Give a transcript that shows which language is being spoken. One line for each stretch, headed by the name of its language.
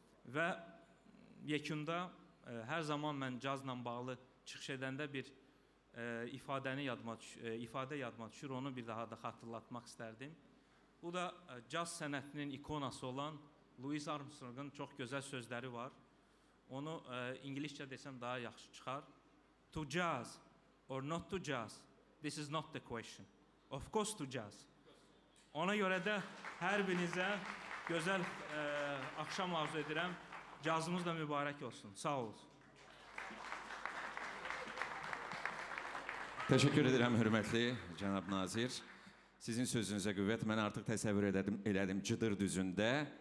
Azerbaijani: Və yekunda hər zaman mən cazla bağlı çıxış edəndə bir ifadə yadıma düşür, onu bir daha da xatırlatmaq istərdim. Bu da caz sənətinin ikonası olan Louis Armstrong'ın çox gözəl sözləri var. Onu ingiliscə desəm daha yaxşı çıxar.
English: To jazz or not to jazz, this is not the question. Of course to jazz.
Azerbaijani: Ona görə də hər birinizə gözəl axşam arzu edirəm. Cazımız da mübarək olsun. Sağ olun. Təşəkkür edirəm, hörmətli cənab nazir. Sizin sözünüzə qüvvət, mən artıq təsəvvür elədim Cıdır düzündə.